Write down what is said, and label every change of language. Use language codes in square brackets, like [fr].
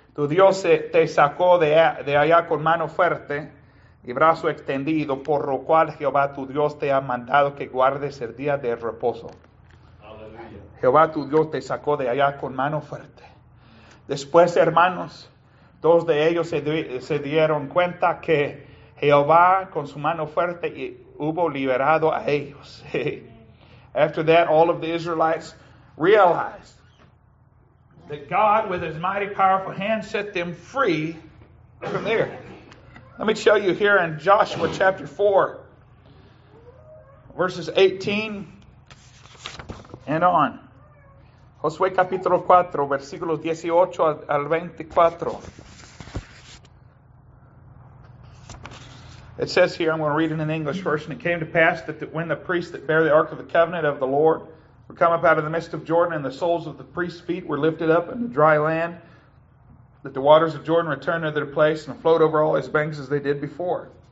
[es] Tu Dios te sacó de allá con mano fuerte y brazo extendido, por lo cual Jehová tu Dios te ha mandado que guardes el día de reposo. Aleluya. Jehová tu Dios te sacó de allá con mano fuerte. Después, hermanos, dos de ellos se dieron cuenta que Jehová con su mano fuerte y hubo liberado a ellos. [en] After that, all of the Israelites realized that God, with his mighty powerful hand, set them free from there. Let me show you here in Joshua chapter 4, verses 18 and on. [es] Josué capítulo 4, versículos 18 al 24. [en] It says here, I'm going to read it in English first. And it came to pass that when the priests that bear the ark of the covenant of the Lord were come up out of the midst of Jordan, and the soles of the priests' feet were lifted up in the dry land, that the waters of Jordan returned to their place and flowed over all his banks as they did before.